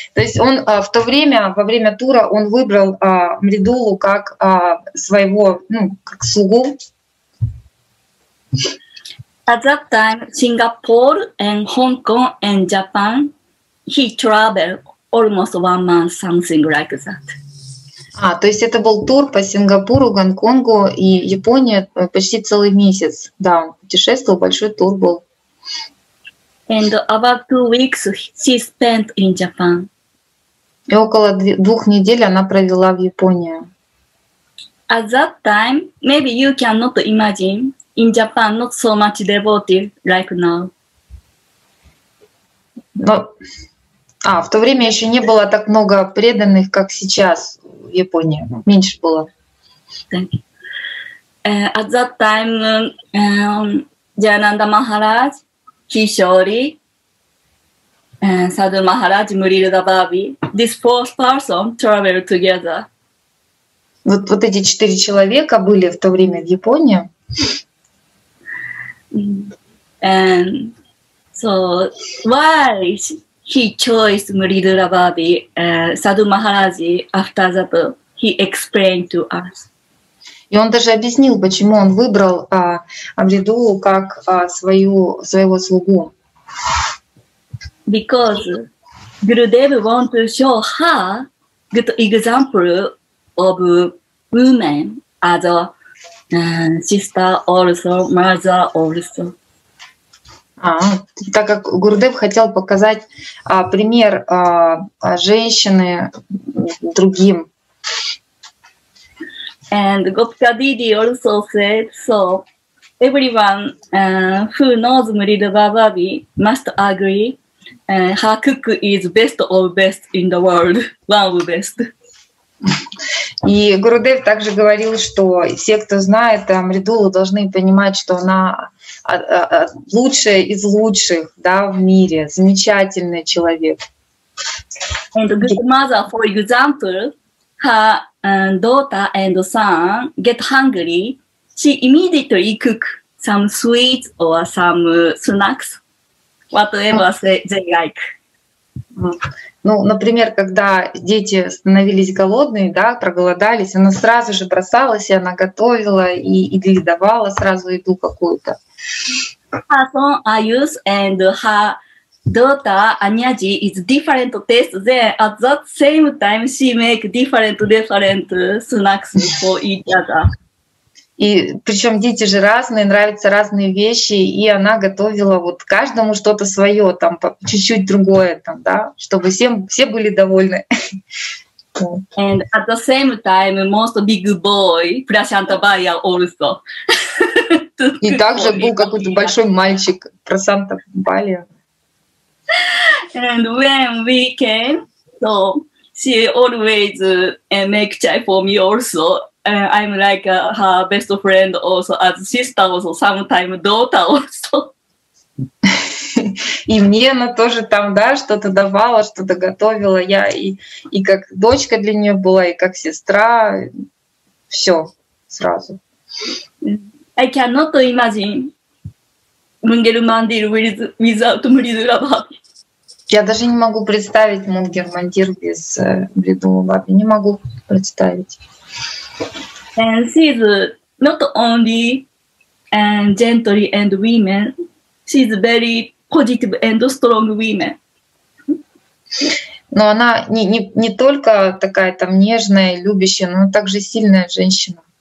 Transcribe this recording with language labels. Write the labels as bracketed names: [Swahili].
[Russian] То есть он в то время, во время тура, он выбрал Мридулу как своего, ну, как слугу. [English] At that time, Singapore and Hong Kong and Japan, he traveled almost 1 month, something like that. [Russian] А, то есть это был тур по Сингапуру, Гонконгу и Японии почти целый месяц. Да, он путешествовал, большой тур был. [English] And about 2 weeks she spent in Japan. [Russian] И около 2 недель она провела в Японии. [English] At that time, maybe you cannot imagine, in Japan not so much devotee like now. [Russian] Но, в то время еще не было так много преданных, как сейчас в Японии. Меньше было. [English] At that time, Jayananda Maharaj, Kishori, Sadhu Maharaj, Мридула Баби, these 4 persons traveled together. [Russian] Вот эти 4 человека были в то время в Японии. [English] And so why he chose Мридула Баби, Sadhu Maharaj, after that he explained to us. [Russian] И он даже объяснил, почему он выбрал Мридулу как своего слугу. [English] Because Gurudev want to show her good example of woman as a sister also, mother also. [Russian] Так как Гурудев хотел показать пример женщины другим. [English] And Gopika Didi also said, so everyone who knows Murilo Babavi must agree, her cook is best of best in the world, one of best. [Russian] И Гурудев также говорил, что все, кто знает Амридулу, должны понимать, что она лучшая из лучших, да, в мире, замечательный человек. [English] And the good mother, for example, her daughter and son get hungry, she immediately cook some sweets or some snacks, whatever they like. [Russian] Ну, например, когда дети становились голодные, да, проголодались, она сразу же бросалась, и она готовила и давала сразу еду какую-то. [English] Her son Ayus and her daughter Anyaji is different taste. Then at that same time she make different snacks for each other. [Russian] И причем дети же разные, нравятся разные вещи, и она готовила вот каждому что-то свое, там чуть-чуть другое, там, да, чтобы всем все были довольны. [English] And at the same time, most big boy Prasantabaya also. [Russian] И также был какой-то большой мальчик Прасантабаля. [English] And when we came, so she always make chai for me also. I'm like her best friend also, as sister also, sometimes daughter also. [Russian] И мне она тоже там, да, что-то давала, что-то готовила. Я и как дочка для нее была, и как сестра. Все сразу. [English] I cannot imagine Мунгеру Мандир without Мридулу Бабави. [Russian] Я даже не могу представить Мунгер Мандир без Мридулу Бабави. Не могу представить. [English] And she's not only gentle and women, she's very positive and strong women. [Russian] Но она не только такая там нежная, любящая, но также сильная женщина.